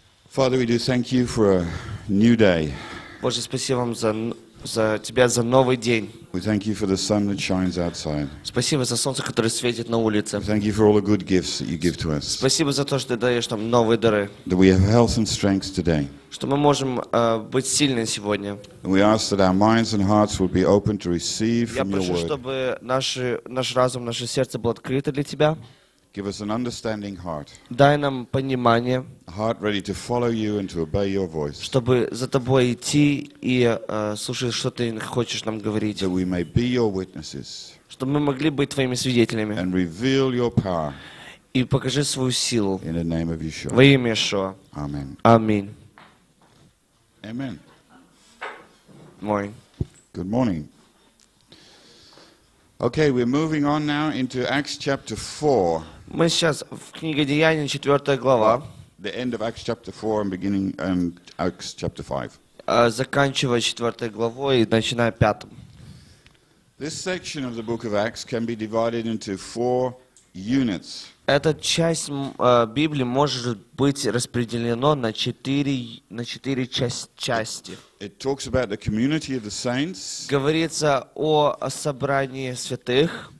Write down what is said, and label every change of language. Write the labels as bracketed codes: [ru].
[en] Father, we do thank you for a new day. [ru] Боже, спасибо вам за тебя за новый день. [en] We thank you for the sun that shines outside. [ru] Спасибо за солнце, которое светит на улице. [en] We thank you for all the good gifts that you give to us. [ru] Спасибо за то, что ты даешь нам новые дары. [en] That we have health and strength today. [ru] Что мы можем быть сильны сегодня. [en] And we ask that our minds and hearts will be open to receive from your word. [ru] Я прошу, чтобы наш разум, наше сердце было открыто для тебя. [en] Give us an understanding heart. [ru] Дай нам понимание. [en] A heart ready to follow you and to obey your voice. [ru] Чтобы за тобой идти и слушать, что ты хочешь нам говорить. [en] That we may be your witnesses. [ru] Чтобы мы могли быть твоими свидетелями. [en] And reveal your power. [ru] И покажи свою силу. [en] In the name of Yeshua. [ru] Во имя Иешуа. [en] Amen. Amen. Amen. Morning. Good morning. Okay, we're moving on now into Acts chapter 4. [ru] Мы сейчас в книге Деяний, 4 глава. [en] The end of Acts chapter 4 and beginning and Acts chapter 5. [ru] Заканчивая 4 главой и начиная 5. [en] This section of the book of Acts can be divided into four units. [ru] Эта часть Библии может быть распределена на четыре части. [en] It talks about the community of the saints. [ru] Говорится о собрании святых.